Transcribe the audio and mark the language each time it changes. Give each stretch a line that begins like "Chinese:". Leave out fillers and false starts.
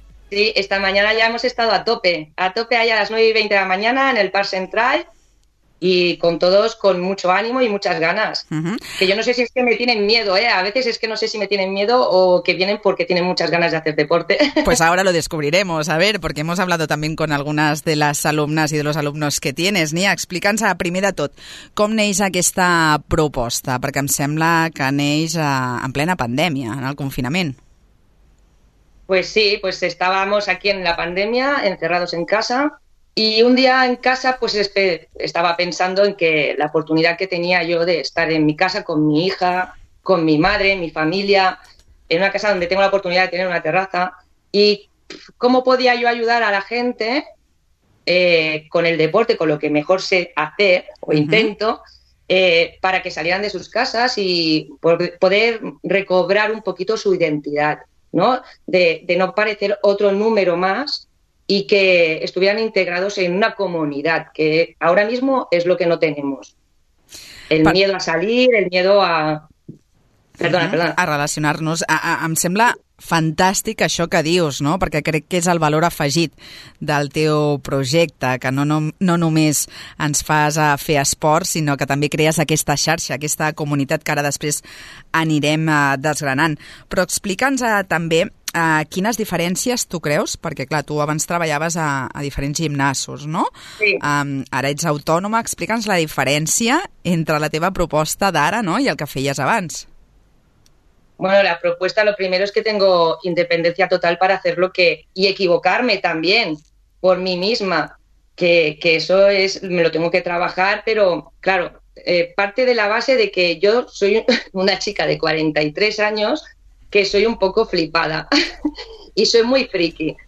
Spanish: Sí, esta mañana ya hemos estado a tope ahí a las 9:20 de la mañana en el Parc Central y con todos con mucho ánimo y muchas ganas. Uh-huh. Que yo no sé si es que me tienen miedo, ¿eh? A veces es que no sé si me tienen miedo o que vienen porque tienen muchas ganas de hacer deporte. Pues ahora lo descubriremos, a ver, porque hemos hablado también con algunas de las alumnas y de los alumnos que tienes.
Catalan: Nia, explica'ns a primer de tot com neix aquesta proposta, perquè em sembla que neix en plena pandèmia, en el confinament.
Spanish: Pues sí, pues estábamos aquí en la pandemia, encerrados en casa, y un día en casa pues estaba pensando en que la oportunidad que tenía yo de estar en mi casa con mi hija, con mi madre, mi familia, en una casa donde tengo la oportunidad de tener una terraza, y cómo podía yo ayudar a la gente con el deporte, con lo que mejor sé hacer o intento, para que salieran de sus casas y poder recobrar un poquito su identidad, ¿no? De no parecer otro número más y que estuvieran integrados en una comunidad, que ahora mismo es lo que no tenemos. El miedo a salir, el miedo a... Perdona.
Catalan: A relacionar-nos. Em sembla fantàstic això que dius, no? Perquè crec que és el valor afegit del teu projecte, que no només ens fas a fer esport, sinó que també crees aquesta xarxa, aquesta comunitat que ara després anirem desgranant. Però explica'ns també quines diferències tu creus, perquè clar, tu abans treballaves a diferents gimnasos, no? Sí. Ara ets autònoma, explica'ns la diferència entre la teva proposta d'ara, no?, i el que feies abans.
Spanish: Bueno, la propuesta, lo primero es que tengo independencia total para hacer lo que... Y equivocarme también por mí misma, que eso es... Me lo tengo que trabajar, pero claro, parte de la base de que yo soy una chica de 43 años que soy un poco flipada y soy muy friki.